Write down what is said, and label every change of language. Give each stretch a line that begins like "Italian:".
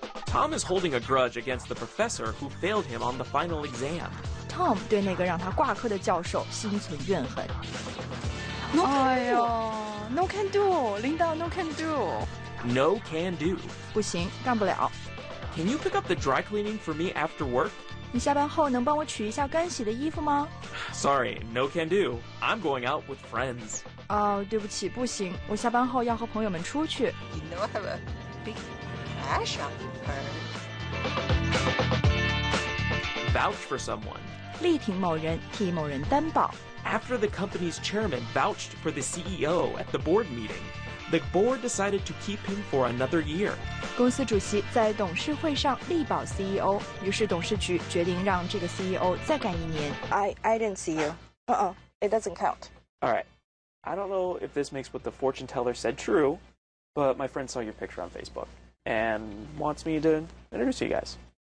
English: Tom is holding a grudge against the professor who failed him on the final exam。
Chinese: Tom 对那个让他挂科的教授心存怨恨。
English: No can do， No can do，领导 No can do。 No can do，
Chinese: 不行，干不了。
English: Can you pick up the dry cleaning for me after work?
Chinese: 你下班后能帮我取一下干洗的衣服吗？
English: Sorry, no can do. I'm going out with friends.
Chinese: 哦、oh, ，对不起，不行，我下班后要和朋友们出去。
English: You know I have a big crush on her. Vouch for someone.
Chinese: 力挺某人，替某人担保。
English: After the company's chairman vouched for the CEO at the board meeting. The board decided to keep him for another year.
Chinese: 公司主席在董事会上力保 CEO， 于是董事局决定让这个 CEO 再干一年。
English: I didn't see you. It doesn't count. All right. I don't know if this makes what the fortune teller said true, but my friend saw your picture on Facebook and wants me to introduce you guys.